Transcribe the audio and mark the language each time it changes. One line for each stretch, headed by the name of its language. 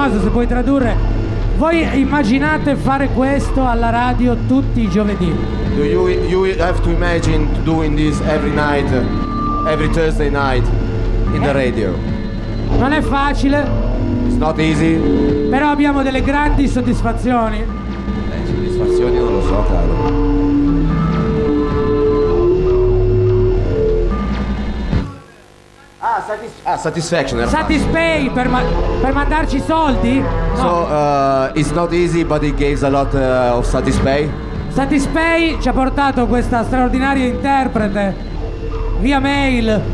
Italian: vuoi tradurre. Voi immaginate fare questo alla radio tutti i giovedì?
English: Do you have to imagine doing this every night, every Thursday night in the radio?
Italian: Non è facile.
English: It's not easy.
Italian: Però abbiamo delle grandi soddisfazioni. Soddisfazioni non lo so, caro.
English: Satisfaction.
Italian: Satisfay per mandarci soldi? No.
English: So it's not easy, but it gives a lot of Satisfay.
Italian: Satisfay ci ha portato questa straordinaria interprete via mail.